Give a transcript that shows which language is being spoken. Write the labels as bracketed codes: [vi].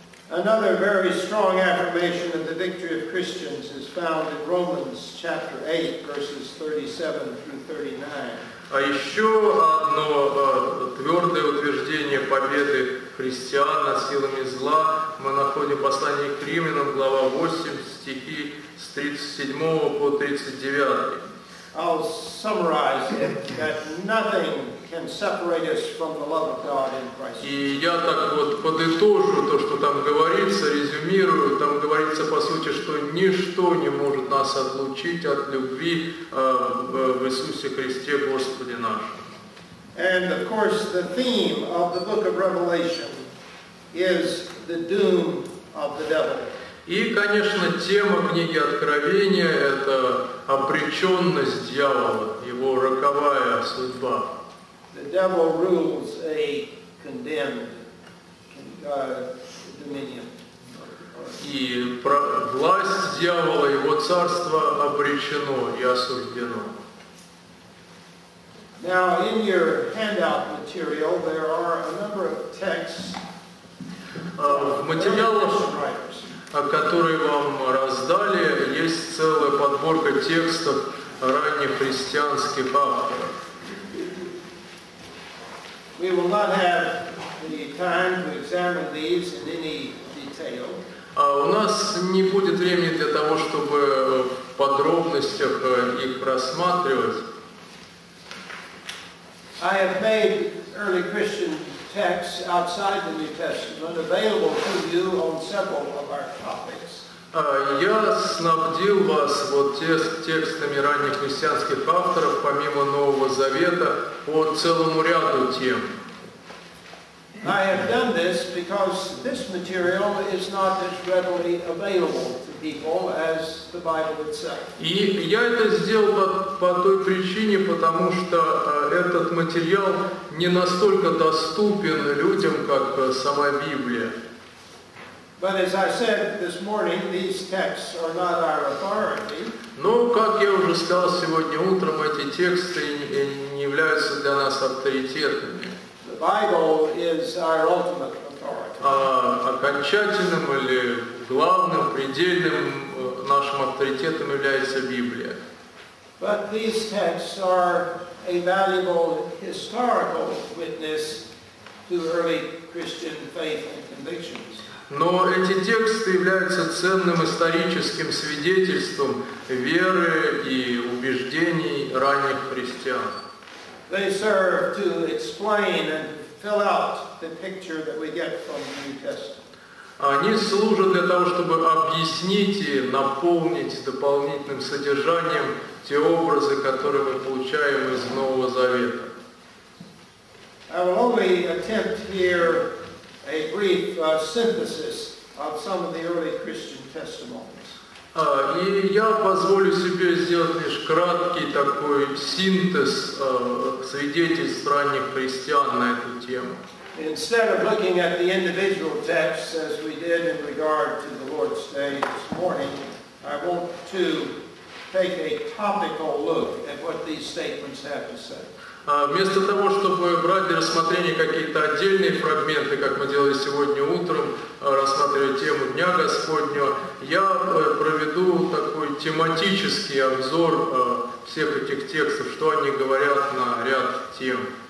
[en] Another very strong affirmation of the victory of Christians is found in Romans chapter 8, verses 37 through 39. [ru] А еще одно твердое утверждение победы христиан над силами зла мы находим в послании к Римлянам, глава 8, стихи с 37 по 39. [en] I'll summarize it, that nothing can separate us from the love of God in Christ. [ru] И я так вот подытожу то, что там говорится, резюмирую. Там говорится, по сути, что ничто не может нас отлучить от любви в Иисусе Христе, Господе нашем. [en] And, of course, the theme of the book of Revelation is the doom of the devil. [ru] И, конечно, тема книги Откровения – это обреченность дьявола, его роковая судьба. [en] The devil rules a condemned dominion. [ru] И власть дьявола, его царство обречено и осуждено. [en] Now, in your handout material, there are a number of texts. [ru] В материалах, которые вам раздали, есть целая подборка текстов раннехристианских авторов. [en] We will not have any time to examine these in any detail. [ru] У нас не будет времени для того, чтобы в подробностях их рассматривать. [en] I have made early Christian texts outside the New Testament available to you on several of our topics. [ru] Я снабдил вас вот текстами ранних христианских авторов, помимо Нового Завета, по целому ряду тем. [en] I have done this because this material is not as readily available to people as the Bible itself. [ru] И я это сделал по той причине, потому что этот материал не настолько доступен людям, как сама Библия. [en] But as I said this morning, these texts are not our authority. [ru] Но, как я уже сказал сегодня утром, эти тексты не являются для нас авторитетными. [en] The Bible is our ultimate authority. [ru] Окончательным или главным, предельным нашим авторитетом является Библия. [en] But these texts are a valuable historical witness to early Christian faith and convictions. [ru] Но эти тексты являются ценным историческим свидетельством веры и убеждений ранних христиан. [en] They serve to explain and fill out the picture that we get from the New Testament. [ru] Они служат для того, чтобы объяснить и наполнить дополнительным содержанием те образы, которые мы получаем из Нового Завета. [en] I will only attempt here a brief synthesis of some of the early Christian testimonies. [ru] И я позволю себе сделать лишь краткий такой синтез свидетельств ранних христиан на эту тему. [en] Instead of looking at the individual texts as we did in regard to the Lord's Day this morning, I want to take a topical look at what these statements have to say. [ru] Вместо того, чтобы брать для рассмотрения какие-то отдельные фрагменты, как мы делали сегодня утром, рассматривая тему Дня Господнего, я проведу такой тематический обзор всех этих текстов, что они говорят на ряд тем.